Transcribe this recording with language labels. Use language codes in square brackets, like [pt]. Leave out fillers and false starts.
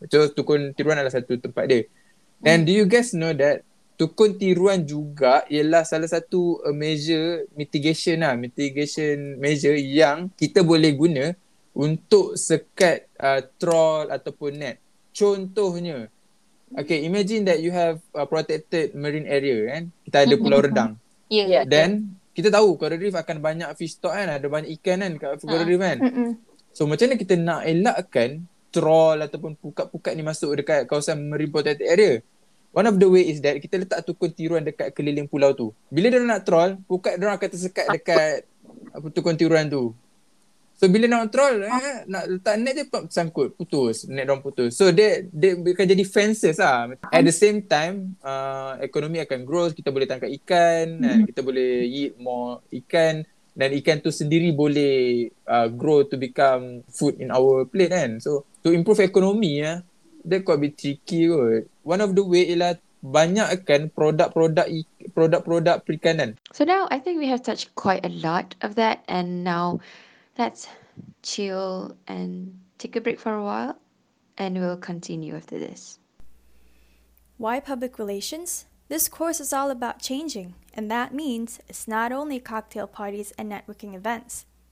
[ms] So tukun tiruan adalah satu tempat dia. [en] And do you guys know that [ms] tukun tiruan juga ialah salah satu mitigation measure yang kita boleh guna untuk sekat trawl ataupun net. Contohnya, [en] okay, imagine that you have a protected marine area, kan? [ms] Kita ada Pulau Redang. [en] Yeah. [ms] Then, kita tahu coral reef akan banyak fish stock kan? Ada banyak ikan kan kat coral reef kan? So, macam mana kita nak elakkan trawl ataupun pukat-pukat ni masuk dekat kawasan marine protected area? [en] One of the way is that [ms] kita letak tukun tiruan dekat keliling pulau tu. Bila dia nak trawl, pukat dia akan tersekat dekat tukun tiruan tu. So bila nak troll, nak letak net dia sangkut, putus, net dia putus. So dia akan jadi fences lah. [en] At the same time, [ms] ekonomi akan grow, kita boleh tangkap ikan, kita boleh eat more ikan, dan ikan tu sendiri boleh [en] grow to become food in our plate [ms] kan. [en] So to improve ekonomi, that could be tricky kot. One of the way [ms] ialah banyakkan produk-produk perikanan. [en] So now I think we have touched quite a lot of that, and now let's chill and take a break for a while, and we'll continue after this. Why public relations? This course is all about changing, and that means it's not only cocktail parties and networking events.